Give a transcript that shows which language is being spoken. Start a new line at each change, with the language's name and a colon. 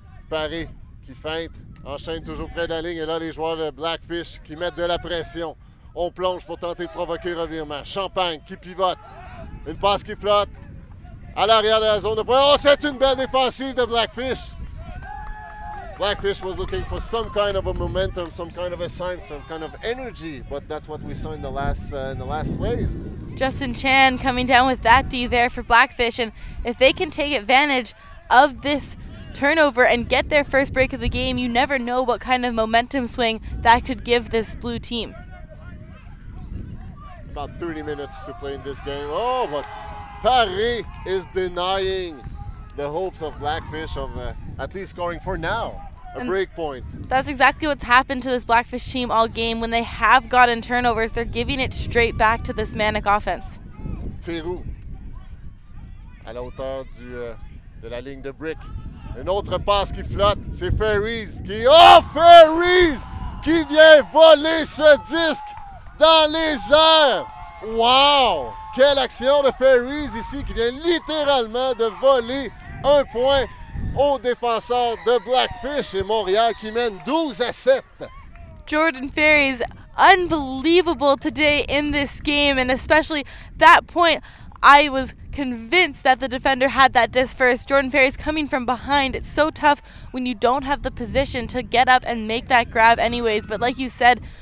French: Paré qui feinte. Enchaîne toujours près de la ligne. Et là, les joueurs de Blackfish qui mettent de la pression. On plonge pour tenter de provoquer le revirement. Champagne qui pivote. Une passe qui flotte. À l'arrière de la zone de pression. Oh, c'est une belle défensive de Blackfish!
English: Blackfish was looking for some kind of a momentum, some kind of a sign, some kind of energy, but that's what we saw in the last plays. Justin Chan coming down with that D there for Blackfish, and if they can take advantage of this turnover and get their first break of the game, you never know what kind of momentum swing that could give this blue team. About 30 minutes to play in this game. Oh, but Paris is denying the hopes of Blackfish of at least scoring for now, break point. That's exactly what's happened to this Blackfish team all game. When they have gotten turnovers, they're giving it straight back to this Manic offense.
French: Théroux, à la hauteur de la ligne de brick. Une autre passe qui flotte, c'est Ferries qui... Oh, Ferries qui vient voler ce disque dans les airs! Wow! Quelle action de Ferries ici qui vient littéralement de voler un point au défenseur de Blackfish et Montréal qui mène 12 à 7.
English: Jordan Ferries, unbelievable today in this game, and especially that point, I was convinced that the defender had that disc first. Jordan Ferries coming from behind, it's so tough when you don't have the position to get up and make that grab anyways. But like you said,